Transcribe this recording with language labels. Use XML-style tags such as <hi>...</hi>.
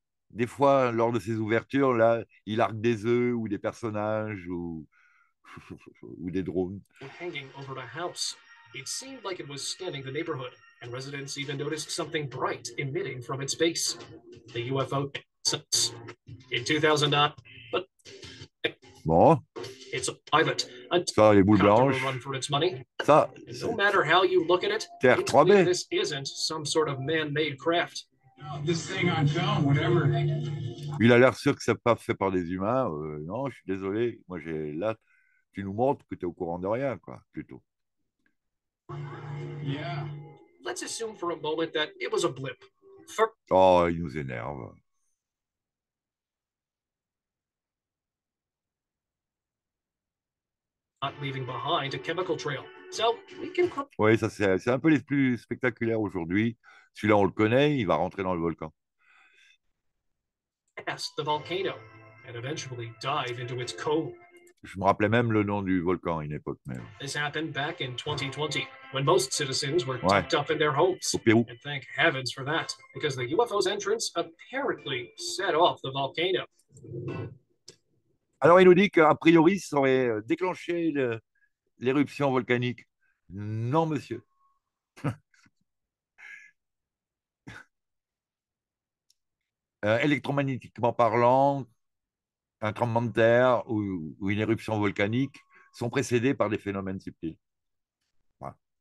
<fr>Des fois, lors de ces ouvertures, là, il largue des œufs ou des personnages ou des drones.</fr> <en>Hanging over the house. It seemed like it was scanning the neighborhood. And residents even noticed something bright emitting from its base. The UFO in 2000, but bon. It's a private. A ça, les boules blanches. Run for its money. Ça, no matter how you look at it, this isn't some sort of man-made craft. This thing on film, whatever.</en> <fr>Il a l'air sûr que c'est pas fait par des humains. Non, je suis désolé. Moi, j'ai là. Tu nous montres que tu es au courant de rien, quoi, plutôt.</fr> <en>Yeah. Let's assume for a moment that it was a blip.</en> <fr>Oh, il nous énerve.</fr> <en>Not leaving behind a chemical trail. So we can.</en> <fr>Oui, ça c'est un peu les plus spectaculaires aujourd'hui. Celui-là, on le connaît, il va rentrer dans le volcan.</fr> <en>Past the volcano and eventually dive into its cone.</en> <fr>Je me rappelais même le nom du volcan à une époque même.</fr> <en>This happened back in 2020, when most citizens were tucked up in their homes.</en> <fr>Au Pérou.</fr> <en>And thank heavens for that, because the UFO's entrance apparently set off the volcano.</en> <fr>Alors, il nous dit qu'a priori, ça aurait déclenché l'éruption volcanique. Non, monsieur. électromagnétiquement parlant, un tremblement de terre ou une éruption volcanique sont précédés par des phénomènes subtils. Voilà.</fr>